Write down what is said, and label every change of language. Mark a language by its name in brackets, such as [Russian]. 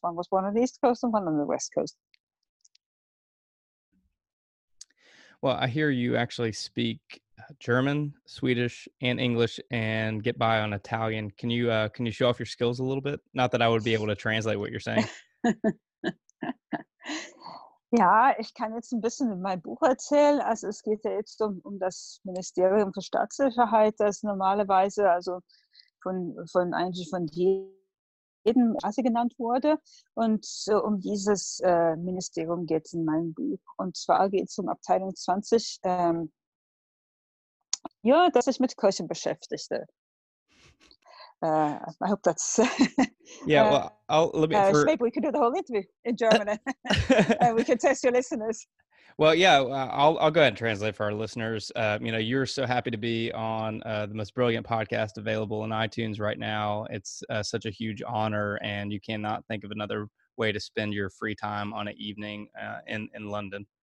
[English] One was born on the East Coast and one on the West Coast. Well, I hear you actually speak German, Swedish, and English, and get by on Italian. Can you show off your skills a little bit? Not that I would be able to translate what you're saying. [German] Ja, ich kann jetzt ein bisschen mein Buch erzählen. Also es geht ja jetzt um das Ministerium für Staatssicherheit, das normalerweise also von eigentlich von jedem Asse genannt wurde. Und um dieses Ministerium geht es in meinem Buch. Und zwar geht es um Abteilung 20, ja, dass ich mit Köchen beschäftigte. [English] I hope that's yeah. Well, I'll let me for... maybe we could do the whole interview in German and we can test your listeners. Well, yeah, I'll go ahead and translate for our listeners. You know, you're so happy to be on the most brilliant podcast available in iTunes right now. It's such a huge honor, and you cannot think of another way to spend your free time on an evening in London.